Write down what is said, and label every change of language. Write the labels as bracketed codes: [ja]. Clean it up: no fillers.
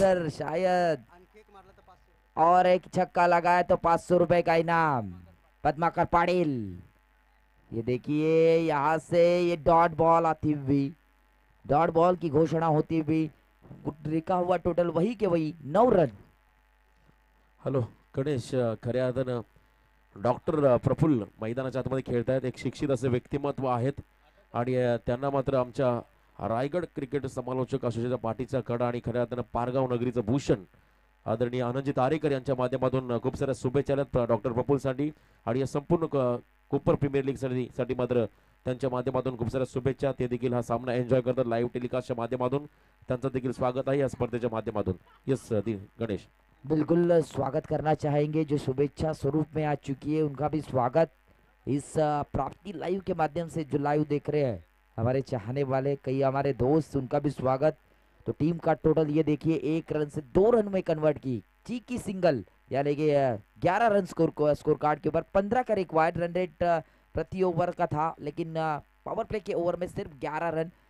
[hi] शायद और एक छक्का लगाया तो 500 रुपए का इनाम पद्माकर पाटिल। ये देखिए यहां से ये डॉट बॉल आती हुई, डॉट बॉल की घोषणा होती हुई, रिका हुआ टोटल वही के वही 9 रन। [mr] हेलो गणेश, खऱ्या अर्थान डॉक्टर प्रफुल्ल मैदानाच्या आतमध्ये खेळत आहेत, एक शिक्षित असे व्यक्तिमत्व आहेत आणि त्यांना मात्र आमच्या रायगड क्रिकेट समालोचक असोसिएशनच्या पाठीचा कडा आणि खऱ्या अर्थानं पारगाव नगरीचं भूषण आदरणीय आनंदजी तारेकर यांच्या माध्यमातून खूप साऱ्या शुभेच्छा आहेत डॉक्टर प्रफुल्लसाठी आणि या संपूर्ण कोपर प्रीमियर लीग साठी मात्र त्यांच्या माध्यमातून खूप साऱ्या शुभेच्छा। ते देखील हा सामना एन्जॉय करतात लाईव्ह टेलिकास्टच्या माध्यमातून, त्यांचं देखील स्वागत आहे या स्पर्धेच्या माध्यमातून। [en] yes Ganesh, [hi] बिल्कुल स्वागत करना चाहेंगे, जो शुभेच्छा स्वरूप में आ चुकी है उनका भी स्वागत इस प्राप्ति लाइव के माध्यम से जो लाइव देख रहे हैं हमारे चाहने वाले कई हमारे दोस्त उनका भी स्वागत। तो टीम का टोटल ये देखिए 1 रन से 2 रन में कन्वर्ट की, चीकी सिंगल यानी कि 11 रन स्कोर कार्ड के ऊपर, 15 का रिक्वायर्ड रन रेट प्रति ओवर का था लेकिन पावर प्ले के ओवर में सिर्फ 11 रन।